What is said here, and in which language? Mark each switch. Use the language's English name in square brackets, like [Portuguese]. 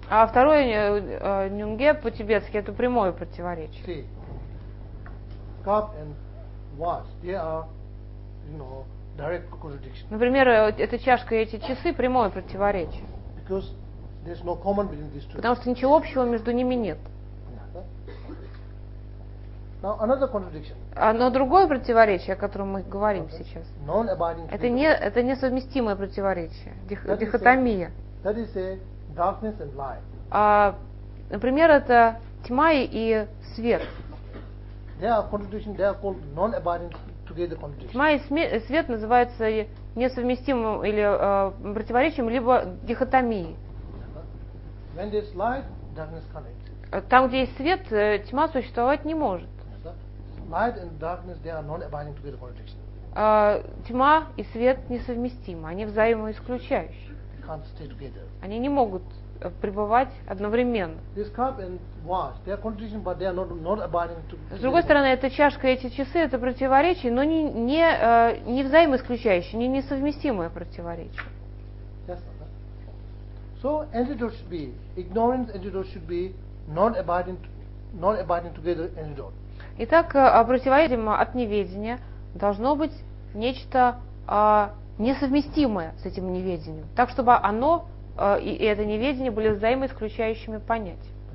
[Russian] А второе нюнге по-тибетски это прямое противоречие. [English] See, cup and watch, they are, you know, direct contradiction. [Russian] Например, эта чашка и эти часы прямое противоречие. [English] Because there's no common between these two. [Russian] Потому что ничего общего между ними нет. [English] Now another contradiction. [Russian] Но другое противоречие, о котором мы говорим сейчас. [English] Non-abiding. [Russian] Это несовместимое противоречие. Дихотомия. [English] That is a darkness and light. [Russian] Например, это тьма и свет. [English] They are contradiction. They are called non-abiding together contradiction. [Russian] Тьма и свет называются несовместимым или противоречием, либо дихотомией. [English] When there's light, darkness can't exist. [Russian] Там, где есть свет, тьма существовать не может. [English] Light and darkness, they are non-abiding together contradiction. [Russian] Тьма и свет несовместимы, они взаимоисключающие. [English] They can't stay together. [Russian] Они не могут пребывать одновременно. [English] This cup and watch, they are contradiction, but they are not abiding to. [Russian] С другой стороны, эта чашка и эти часы это противоречие, но не взаимоисключающее, не несовместимое противоречие. [English] Yes, so antidote should be ignorance. Antidote should be not abiding together. Antidote. [Russian] Итак, противоречие от неведения должно быть нечто несовместимое с этим неведением, так чтобы оно и это неведение были взаимоисключающими понятиями.